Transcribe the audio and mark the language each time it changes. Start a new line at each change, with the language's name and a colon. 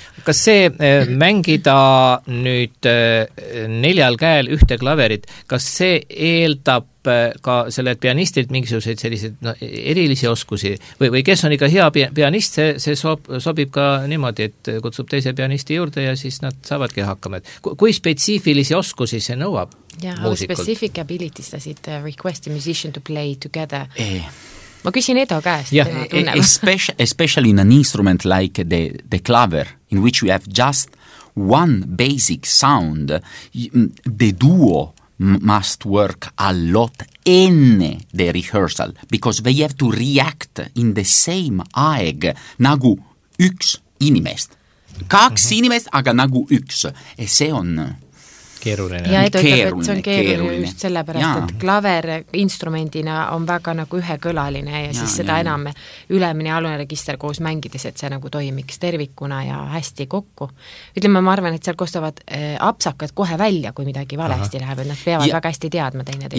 Estonian: Kas see mängida nüüd neljal käel ühte klaverit, kas see eeldab ka sellelt pianistilt mingisuguseid sellised no, erilisi oskusi või kes on ikka hea pianist, see sobib ka niimoodi, et kutsub teise pianisti juurde ja siis nad saavadki hakkama. Kui spetsiifilisi oskusi see nõuab muusikult?
English: How specific abilities does it request a musician to play together?
Estonian: Ma küsin Edo käest.
English: Yeah. Especially in an instrument like the claver, in which you have just one basic sound, the duo must work a lot in the rehearsal, because they have to react in the same
Estonian: aeg nagu üks inimest. Kaks inimest, aga nagu üks. E see on... Keeruline. Ja Edo ütleb, et see on keeruline just sellepärast, et klaver instrumentina on väga nagu ühekõlaline ja siis seda enam ülemine alune register koos mängides, et see nagu toimiks tervikuna ja hästi kokku. Ütleme, ma arvan, et seal kostavad apsakad kohe välja, kui midagi valesti läheb, et nad peavad väga hästi teadma teine teine.